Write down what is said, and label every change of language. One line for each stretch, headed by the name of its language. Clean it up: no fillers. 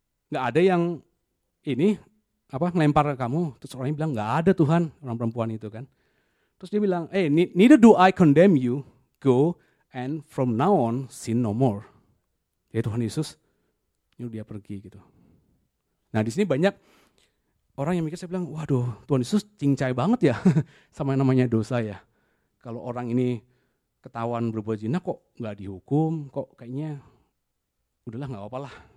Indonesian: Gak ada yang ini, apa, melempar kamu. Terus orangnya bilang, gak ada Tuhan, orang perempuan itu kan. Terus dia bilang,
English: neither do I condemn you, go, and from now on, sin no more.
Indonesian: Jadi Tuhan Yesus, nyuruh dia pergi gitu. Nah di sini banyak orang yang mikir, saya bilang, waduh Tuhan Yesus cincai banget ya sama yang namanya dosa ya. Kalau orang ini ketahuan berbuat zina kok gak dihukum, kok kayaknya udahlah gak apa-apa lah.